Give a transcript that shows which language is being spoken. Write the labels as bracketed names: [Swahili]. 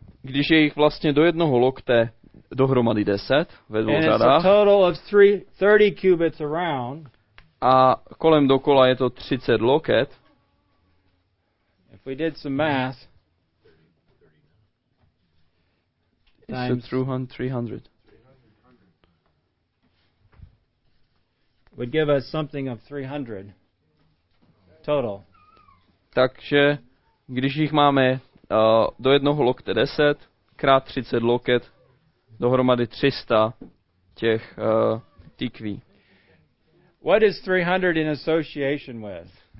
[Czech] když je jich vlastně do jednoho lokte dohromady 10 ve dvou řadách, [English] and it's a total of 30 cubits around, [Czech] a kolem dokola je to 30 loket. [English] If we did some math, it's 300. Would give us something of 300 total. [Czech] Takže když jich máme do jednoho lokte 10 krát 30 loket, dohromady 300 těch tikví. [English] What is 300 in association with?